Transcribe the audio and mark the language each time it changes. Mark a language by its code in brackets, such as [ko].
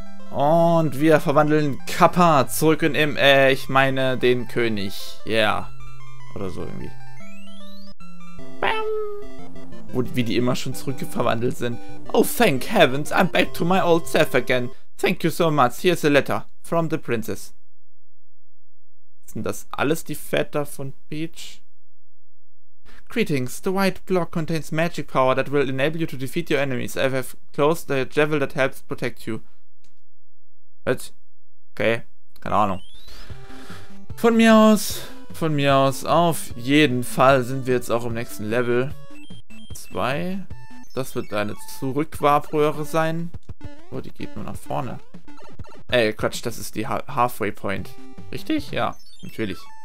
[de] Und wir verwandeln Kappa zurück in im, ich meine den König. Yeah. Oder so irgendwie. Bam. Wo, wie die immer schon zurückverwandelt sind. [en] Oh, thank heavens, I'm back to my old self again. Thank you so much, here's a letter from the princess. [de] Sind das alles die Väter von Peach? [en] Greetings, the white block contains magic power that will enable you to defeat your enemies. I have closed the javel that helps protect you. What? [de] Okay, keine Ahnung. Von mir aus, auf jeden Fall sind wir jetzt auch im nächsten Level. 2. Das wird eine Zurückwarpröhre sein. Oh, die geht nur nach vorne. Ey, Quatsch, das ist die Halfway Point. Richtig? Ja, natürlich.